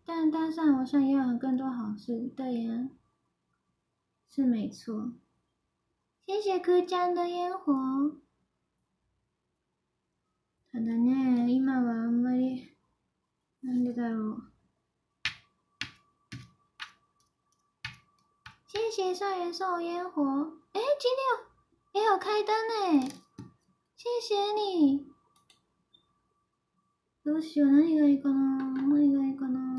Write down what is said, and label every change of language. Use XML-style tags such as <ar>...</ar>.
<zh>但上我想要有更多好事，对呀，是没错。谢谢柯江的烟火。</zh> <ja>ただね、今はあんまり、なんでだろう。</ja> <zh>谢谢少元送我烟火。哎，今天也有开灯呢，谢谢你。</zh> <ja>どうしよう、何がいいかな、何がいいかな。</ja>